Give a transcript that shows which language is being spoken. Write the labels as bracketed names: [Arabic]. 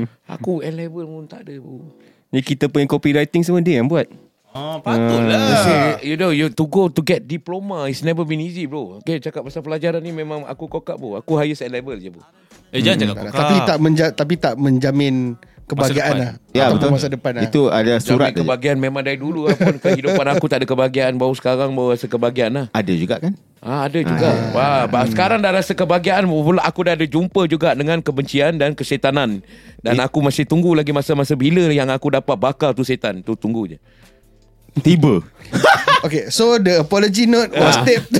[Malay] Aku A-level pun tak ada bro. Ni kita punya copywriting semua dia yang buat. Patutlah. [English] You know, to get diploma is never been easy, bro. [Malay] Okay, cakap pasal pelajaran ni memang aku kokak, bro. Aku highest at level je, bro. Jangan cakap kokak. Tapi tak menjamin kebahagiaan lah. Ya, betul. Masa depan lah. Itu ada surat. Jamin kebahagiaan memang dari dulu lah pun. Kehidupan aku tak ada kebahagiaan. Baru sekarang baru rasa kebahagiaan lah. Ada juga kan? Ada juga. Sekarang dah rasa kebahagiaan. Aku dah ada jumpa juga dengan kebencian dan kesetanan. Dan aku masih tunggu lagi masa-masa bila yang aku dapat bakal tu setan. Tu tunggu je. Tiba. [English] Okay, so the apology note was taped to